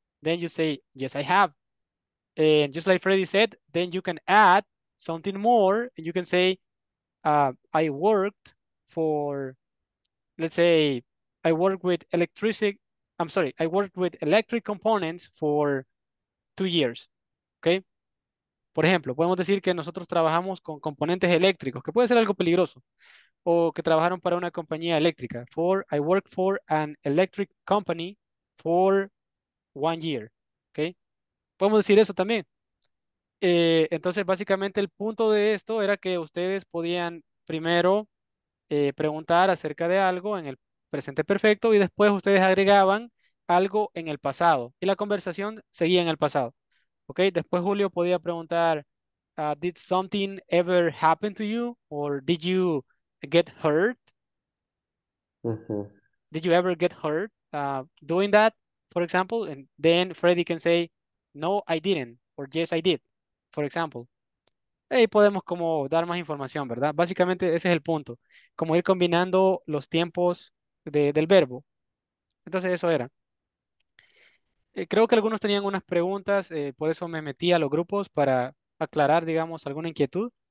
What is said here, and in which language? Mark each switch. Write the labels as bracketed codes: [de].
[en] Then you say, yes, I have. And just like Freddy said, then you can add something more, and you can say, I worked for, let's say, I worked with electric components for 2 years, okay? [es] Por ejemplo, podemos decir que nosotros trabajamos con componentes eléctricos, que puede ser algo peligroso, o que trabajaron para una compañía eléctrica. [en] I worked for an electric company for 1 year, okay? [es] Podemos decir eso también. Entonces, básicamente, el punto de esto era que ustedes podían primero preguntar acerca de algo en el presente perfecto y después ustedes agregaban algo en el pasado y la conversación seguía en el pasado. [en] Okay? [es] Después Julio podía preguntar, [en] did something ever happen to you? Or did you get hurt? Uh-huh. Did you ever get hurt doing that, for example? And then Freddy can say, no, I didn't. Or yes, I did. For example, [es] ahí podemos como dar más información, ¿verdad? Básicamente ese es el punto, como ir combinando los tiempos del verbo. Entonces eso era. Creo que algunos tenían unas preguntas, por eso me metí a los grupos para aclarar, digamos, alguna inquietud.